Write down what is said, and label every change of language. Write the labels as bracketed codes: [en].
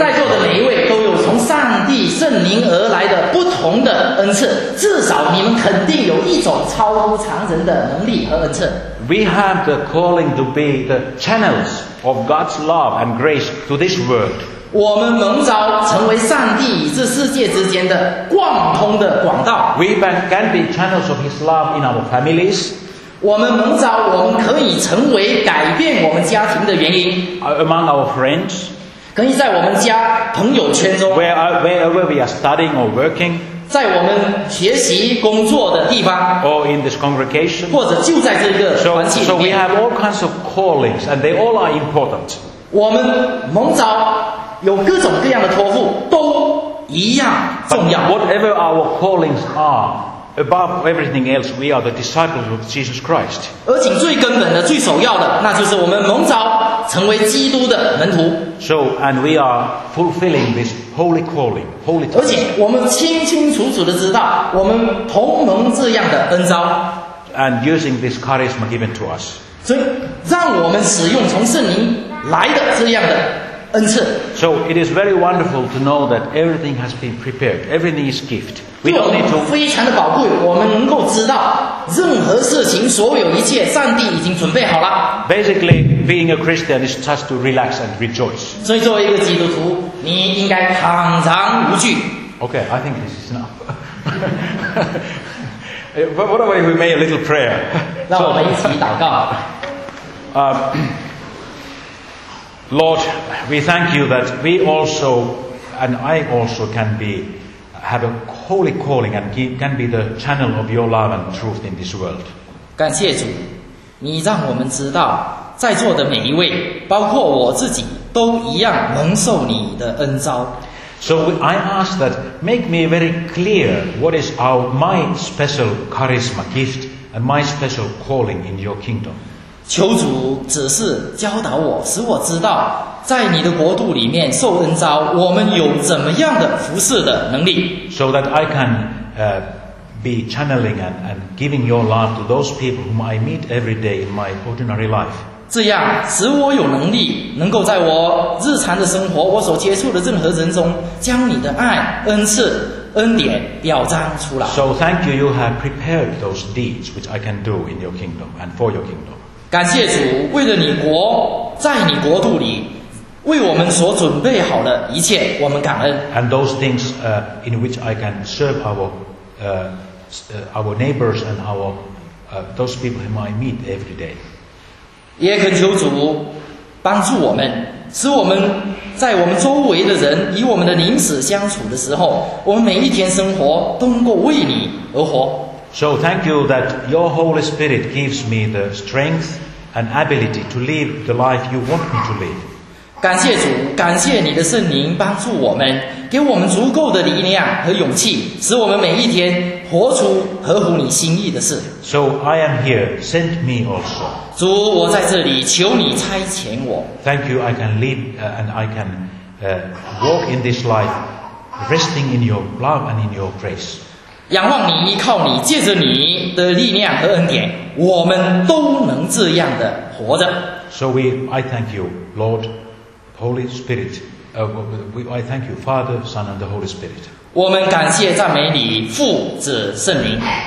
[zh] 在座的每一位都有从上帝圣灵而来的不同的恩赐，至少你们肯定有一种超乎常人的能力和恩赐。 [en] We have the calling to be the channels of God's love and grace to this world. [zh] 我们蒙召成为上帝与这世界之间的贯通的管道。 [en] We can be channels of His love in our families. [zh] 我们蒙召，我们可以成为改变我们家庭的原因。 [en] Among our friends, [zh] 可以在我们家朋友圈中。 [en] Wherever we are studying or working, [zh] 在我们学习工作的地方。 [en] Or in this congregation, [zh] 或者就在这个环境里面。 [en] So we have all kinds of callings, and they all are important. [zh] 我们蒙召有各种各样的托付，都一样重要。 [en] But whatever our callings are. Above everything else, we are the disciples of Jesus Christ. [zh] 而且最根本的、最首要的，那就是我们蒙召成为基督的门徒。 [en] So, and we are fulfilling this holy calling, holy task. [zh] 而且我们清清楚楚的知道，我们同蒙这样的恩召。 [en] And using this charisma given to us. [zh] 所以，让我们使用从圣灵来的这样的恩赐。 [en] So it is very wonderful to know that everything has been prepared. Everything is gift. We don't need to. [zh] 非常的宝贵，我们能够知道任何事情，所有一切，上帝已经准备好了。 [en] Basically, being a Christian is just to relax and rejoice. [zh] 所以作为一个基督徒，你应该坦然无惧。 [en] Okay, I think this is enough. But what about if we make a little prayer? [zh] 让我们一起祷告。 [en] Lord, we thank you that we also, and I also can be, have a holy calling and can be the channel of your love and truth in this world. [zh] 感谢主，你让我们知道，在座的每一位，包括我自己，都一样蒙受你的恩召。 [en] So I ask that make me very clear what is my special charisma gift and my special calling in your kingdom. [zh] 求主指示教导我，使我知道在你的国度里面受恩召，我们有怎么样的服事的能力。 [en] So that I can be channeling and giving your love to those people whom I meet every day in my ordinary life. [zh] 这样使我有能力，能够在我日常的生活，我所接触的任何人中，将你的爱、恩赐、恩典表彰出来。 [en] So thank you, you have prepared those deeds which I can do in your kingdom and for your kingdom. [zh] 感谢主，为了你国，在你国度里，为我们所准备好的一切，我们感恩。 [en] And those things, in which I can serve our neighbors and those people whom I meet every day. [zh] 也恳求主帮助我们，使我们在我们周围的人与我们的邻舍相处的时候，我们每一天生活都能够为你而活。 [en] So thank you that your Holy Spirit gives me the strength and ability to live the life you want me to live. [zh] 感谢主，感谢你的圣灵帮助我们，给我们足够的力量和勇气，使我们每一天活出合乎你心意的事。 [en] So I am here, send me also. [zh] 主，我在这里，求你差遣我。 [en] Thank you, I can live, and I can walk in this life, resting in your love and in your grace. [zh] 仰望你，依靠你，借着你的力量和恩典，我们都能这样的活着。 [en] So I thank you, Lord, Holy Spirit. I thank you, Father, Son, and the Holy Spirit. [zh] 我们感谢赞美你，父子圣灵。